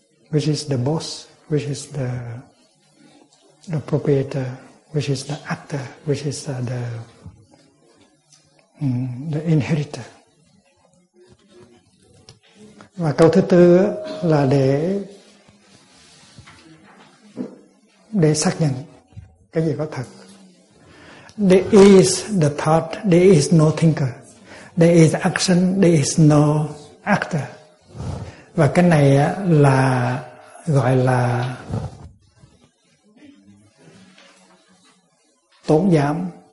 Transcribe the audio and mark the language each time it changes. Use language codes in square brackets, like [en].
[en] Which is the boss, which is the proprietor, which is the actor, which is the inheritor. [vi] Và câu thứ tư là để xác nhận cái gì có thật. [en] There is the thought, there is no thinker. There is action, there is no actor. [vi] Và cái này là gọi là tốn giảm.